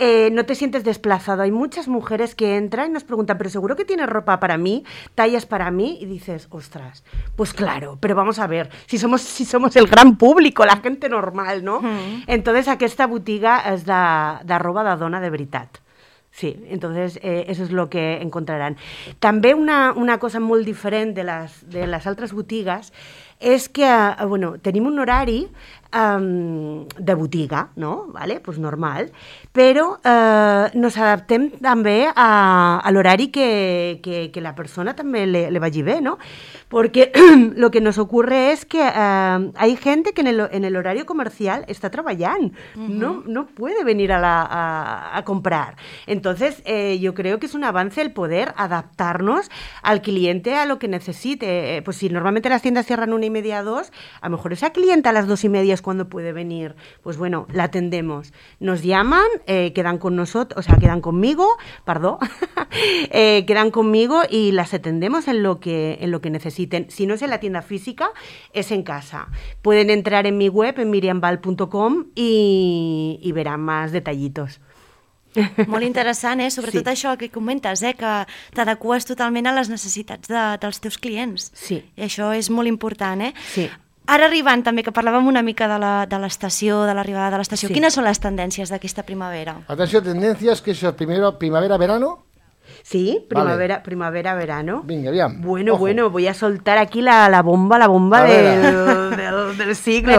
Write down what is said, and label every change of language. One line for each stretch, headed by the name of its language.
Spanish: No te sientes desplazado. Hay muchas mujeres que entran y nos preguntan, pero seguro que tienes ropa para mí, tallas para mí, y dices, ostras, pues claro, pero vamos a ver, si somos el gran público, la gente normal, ¿no? Mm. Entonces,
Catalan: aquesta botiga es de roba de dona de veritat.
Spanish: Sí, entonces eso es lo que encontrarán.
Catalan: També una cosa molt diferent de les altres botigues és que, bueno, tenim un horari de botiga, no? Vale?
Spanish: Pues
Catalan: normal, però
Spanish: nos
Catalan: adaptem també a l'horari que la persona també
Spanish: le
Catalan: vagi bé, no?
Spanish: Porque lo que nos ocurre es que hay gente que en el horario comercial está trabajando, uh-huh. no puede venir a comprar. Entonces, yo creo que es un avance el poder adaptarnos al cliente a lo que necesite. Pues si normalmente las tiendas cierran 1:30, 2, a lo mejor esa clienta a las 2:30 es cuando puede venir. Pues bueno, la atendemos. Nos llaman, quedan con nosotros, o sea, quedan conmigo, perdón, quedan conmigo y las atendemos en lo que necesite. Si no es en la tienda física, es en casa. Pueden entrar en mi web, en miriamval.com, y verán más detallitos.
Catalan: Molt interessant, sobretot sí. Això que comentes, que t'adeques totalment a les necessitats dels teus clients. Sí. I això és molt important, Sí. Ara arribant també, que parlàvem una mica de l'estació, de l'arribada de l'estació, sí. Quines són les tendències d'aquesta primavera? Atenció, tendències, que això,
Spanish: primero, primavera-verano, sí, primavera, vale. Primavera-verano.
Catalan: Vinga, aviam.
Spanish: Bueno, ojo. Bueno, voy a soltar aquí la bomba del siglo,